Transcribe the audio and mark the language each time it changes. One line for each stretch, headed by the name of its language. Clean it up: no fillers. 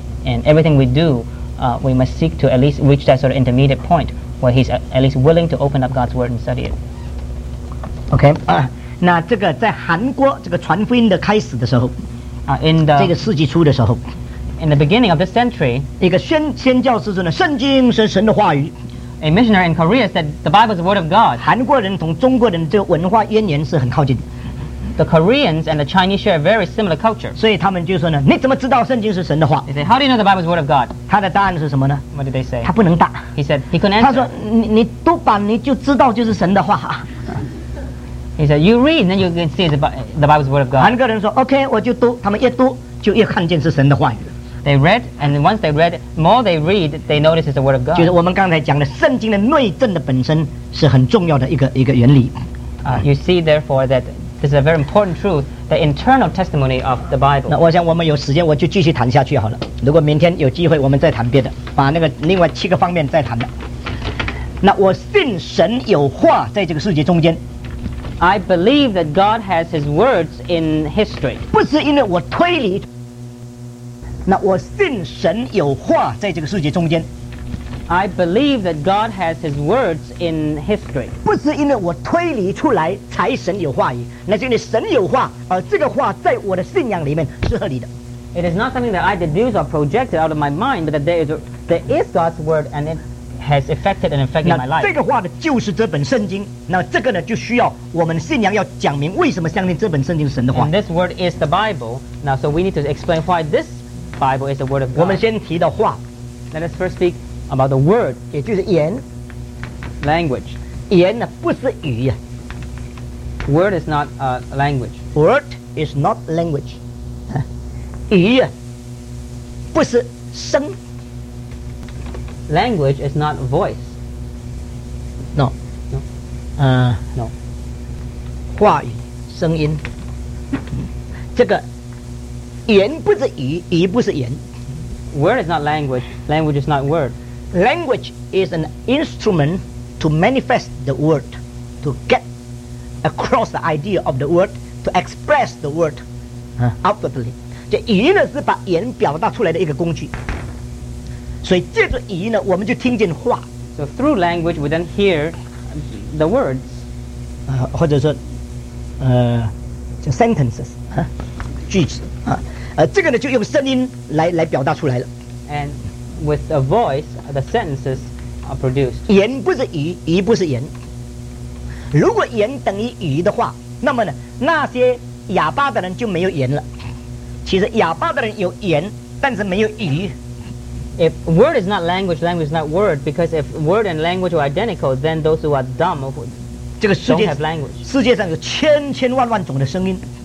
English: And everything we do, we must seek to at least reach that sort of intermediate point where he's at least willing to open up God's word and study it. Okay.
Chinese: 那这个在韩国这个传福音的开始的时候，这个世纪初的时候。
English: In the beginning of this century,
Chinese: 一个宣教士说呢，圣经是神的话语。
English: A missionary in Korea said the Bible is the word of God.
Chinese: 韩国人同中国人这个文化渊源是很靠近。
English: The Koreans and the Chinese share a very similar culture.
Chinese: 所以他们就说呢，你怎么知道圣经是神的话？
English: They say, how do you know the Bible is the word of God?
Chinese: 他的答案是什么呢？
English: What did they say?
Chinese: 他不能答。
English: He said he couldn't answer.
Chinese: 他说你读吧，你就知道就是神的话。
English: He said you read, then you can see the Bible is the word of God.
Chinese: 韩国人说 OK, 我就读，他们越读就越看见是神的话语。
English: They read, and once they read, more they read, they notice it's the word of God.
Chinese: 就是我们刚才讲的，圣经的内证的本身是很重要的一个原理。
English: You see, therefore, that this is a very important truth, the internal testimony of the Bible.
Chinese: 那我想我们有时间，我就继续谈下去好了。如果明天有机会，我们再谈别的，把那个另外七个方面再谈的。那我信神有话在这个世界中间。
English: I believe that God has His words in history.
Chinese: 不是因为我推理。那我信神有话在这个世界中间。
English: I believe that God has His words in history.
Chinese: 不是因为我推理出来才神有话语，那是因为神有话，而这个话在我的信仰里面是合理的。
English: It is not something that I deduce or projected out of my mind, but that there is God's word and it has affected and affected my life.
Chinese: 那这个话呢，就是这本圣经。那这个呢，就需要我们信仰要讲明为什么相信这本圣经是神的话。
English: And this word is the Bible. Now, so we need to explain why this. Bible is the word of God.
Chinese: 我们先提到话。
English: Let us first speak about the word,
Chinese: 也就是言。
English: Language.
Chinese: 言呢不是语。
English: Word is not a language. Word is not language.
Chinese: 语不是声。
English: language is not voice. No. No.
Chinese: No. 话语，声音。这个言不是语，语不是言。
English: Word is not language. Language is not word. Language is an instrument to manifest the word, to get across the idea of the word, to express the word outwardly.
Chinese: 这语呢是把言表达出来的一个工具。所以借着语呢，我们就听见话。
English: So through language, we then hear the words.
Chinese: 或者说，就 sentences, 句子这个呢就用声音来表达出来了。
English: And with a voice, the sentences are produced.
Chinese: 言不是语，语不是言。如果言等于语的话，那么呢，那些哑巴的人就没有言了。其实哑巴的人有言，但是没有语。
English: If word is not language, language is not word. Because if word and language are identical, then those who are dumb don't have language.
Chinese: 世界上有千千万万种的声音。